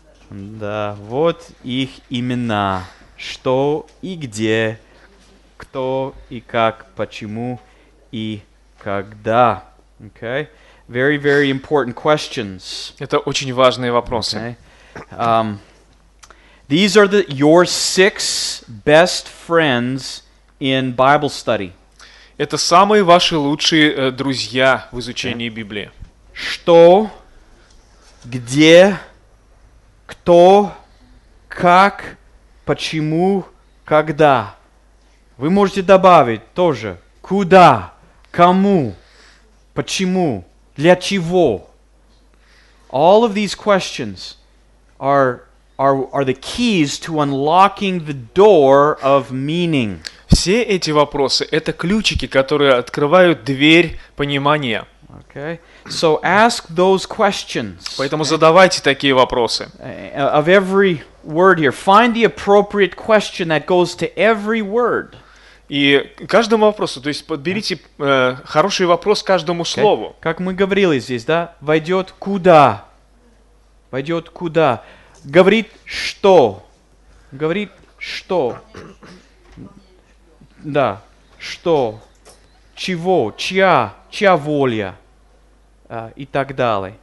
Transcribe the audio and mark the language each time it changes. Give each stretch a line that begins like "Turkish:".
Russian: Да, вот их имена, что и где, кто и как, почему и когда.
English: Okay. Very, very important questions.
Russian: Это очень важные вопросы.
English: Okay. These are your six best friends in Bible study.
Russian: Это самые ваши лучшие друзья в изучении okay. Библии. Что, где, кто, как, почему, когда. Вы можете добавить тоже. Куда, кому, почему, для чего.
English: All of these questions are the keys to unlocking the door of meaning.
Russian: Все эти вопросы — это ключики, которые открывают дверь понимания.
English: Okay. So ask those questions.
Russian: Поэтому задавайте такие вопросы.
English: Of every word here, find the appropriate question that goes to every word.
Russian: И каждому вопросу, то есть подберите хороший вопрос каждому слову.
English: Okay.
Russian: Как мы говорили здесь, да? Войдет куда? Войдет куда? Говорит что? Говорит что? Да, что, чего, чья, чья воля и так далее.